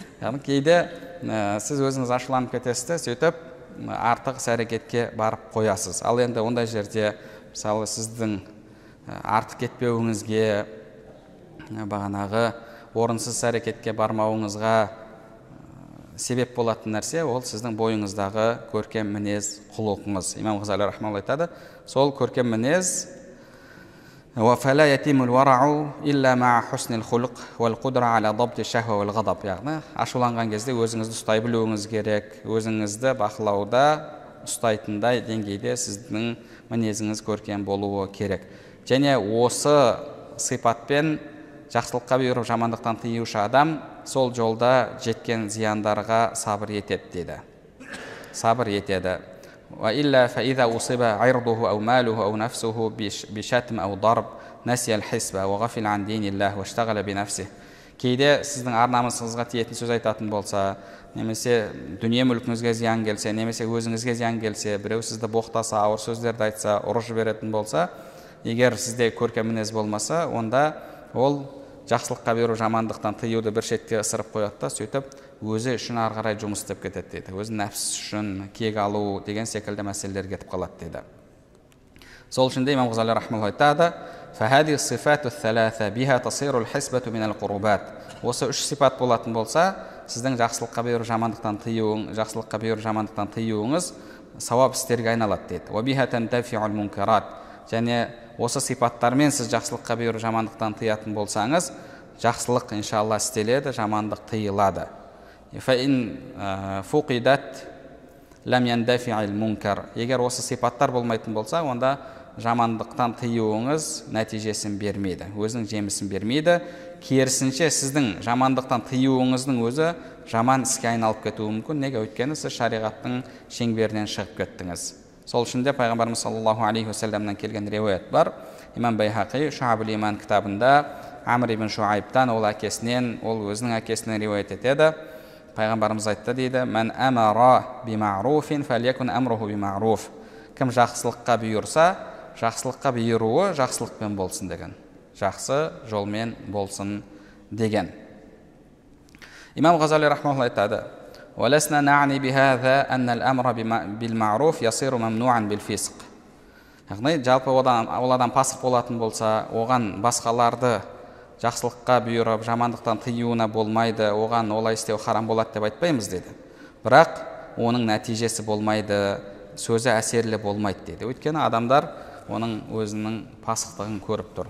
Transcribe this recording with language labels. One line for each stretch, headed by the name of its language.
Kazakh: Яғни кейде сіз өзіңіз ашуланып кетесіз де, сөйтіп артық іс-әрекетке барып қоясыз. Ал енді ондай жерде мысалы сіздің артық кетпеуіңізге, бағанағы орынсыз іс-әрекетке бармауыңызға себеп болатын нәрсе, ол сіздің бойыңыздағы көркем мінез құлықыңыз. Имам Ғазали рахимаһуллаһ айтады, сол көркем мінез
Arabic: وَفَلَا يَتِيمُ الْوَرَعُ إِلَّا مَعَ حُسْنِ الْخُلُقِ وَالْقُدْرَةِ عَلَى ضَبْطِ الشَّهْوَةِ وَالْغَضَبِ.
Kazakh: Яғни ашуланған кезде өзіңізді ұстай білуіңіз керек, өзіңізді бақылауда ұстайтындай деңгейде сіздің мінезіңіз көркем болуы керек. Және осы сипатпен жақсылыққа бұйырып жамандықтан тыюшы адам сол жолда жеткен зияндарға сабыр етеді дейді. Сабыр етеді.
Arabic: وإلا فإذا أصيب عرضه أو ماله أو نفسه بشتم أو ضرب نسي الحسبة وغفل عن دين الله واشتغل بنفسه.
Kazakh: Кейде сіздің арнамысыңызға тиетін сөз айтатын болса, немесе дүние мүлкіңізге зиян келсе, немесе өзіңізге зиян келсе, біреу сізді боқтаса, ауыр сөздерді айтса, ұрыс жіберетін болса, егер сізде көркем мінез болмаса, онда ол жақсылыққа беру жамандықтан тыюды бір шетке ысырып қояды да, сөйтіп өзі үшін ары қарай жұмыс істеп кетеді дейді. Өзі нәпсі үшін кек алу деген секілді мәселелер кетіп қалады дейді. Сол үшін де имам Ғазали рахимаһуллаһ айтады,
Arabic: فهذه الصفات الثلاثه بها تصير الحسبه من القربات.
Kazakh: Осы үш сипат болатын болса, сіздің жақсылыққа беру жамандықтан тыюыңыз, жақсылыққа беру жамандықтан тыюыңыз сауап істерге айналады дейді.
Arabic: وبها تنتفع المنكرات.
Kazakh: Және осы сипаттармен сіз жақсылыққа беру жамандықтан тыятын болсаңыз, жақсылық иншалла істеледі, жамандық тыйылады.
Arabic: فإن فقدت لم يندفع المنكر.
Kazakh: Егер осы сипаттар болмайтын болса, онда жамандықтан тыюыңыз нәтижесін бермейді, өзінің жемісін бермейді. Керісінше, сіздің жамандықтан тыюыңыздың өзі жаман іске айналып кетуі мүмкін. Неге? Өйткені сіз шариғаттың шеңберінен шығып кеттіңіз. Сол үшін де пайғамбарымыз саллаллаху алейхи уассаламнан келген риуаят бар. Имам Байхақи Шуъабул Иман кітабында Амр ибн Шуайбтан, ол әкесінен, ол өзінің әкесінен риуаят етеді. Пайғамбарымыз айтты дейді,
Arabic: мен әмара бимаруфин фәлекун әмруху бимаруф.
Kazakh: Кім жақсылыққа бұйырса, жақсылыққа бұйыруы жақсылықпен болсын деген, жақсы жолмен болсын деген. Имам Ғазали рахмаһуллаһ айтады,
Arabic: ولسنا نعني بهذا ان الامر بالمعروف يصير ممنوعا بالفسق.
Kazakh: Яғни жалпы ол адам пасық болатын болса, оған басқаларды жақсылыққа бұйырып, жамандықтан тыюына болмайды, оған олай істеу харам болады деп айтпаймыз деді. Бірақ оның нәтижесі болмайды, сөзі әсерлі болмайды деді. Өйткені адамдар оның өзінің пасықтығын көріп тұр.